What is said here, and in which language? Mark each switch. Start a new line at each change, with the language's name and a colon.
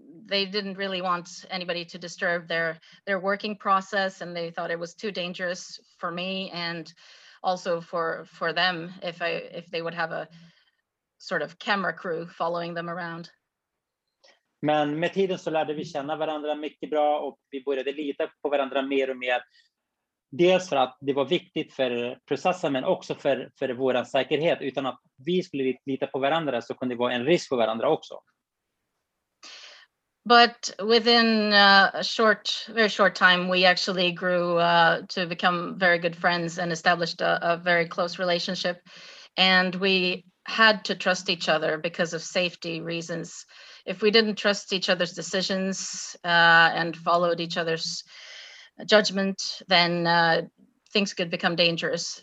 English: They didn't really want anybody to disturb their working process and they thought it was too dangerous for me and also for them if they would have a sort of camera crew following them around.
Swedish: Men med tiden så lärde vi känna varandra mycket bra och vi började lita på varandra mer och mer. Dels för att det var viktigt för processen men också för vår säkerhet utan att vi skulle lita på varandra så kunde det vara en risk för varandra också.
English: But within a very short time, we actually grew to become very good friends and established a very close relationship. And we had to trust each other because of safety reasons. If we didn't trust each other's decisions and followed each other's judgment, then things could become dangerous.